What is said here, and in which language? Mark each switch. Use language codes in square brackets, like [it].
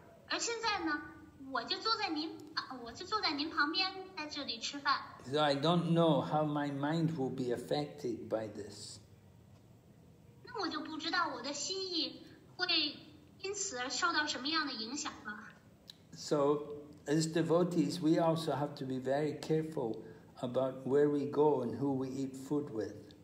[zh] 而现在呢，我就坐在您旁边在这里吃饭。 [en] So I don't know how my mind will be affected by this. [zh] 我就不知道我的心意会因此受到什么样的影响了。 [en] So, as devotees, we also have to be very careful about where we go and who we eat food with.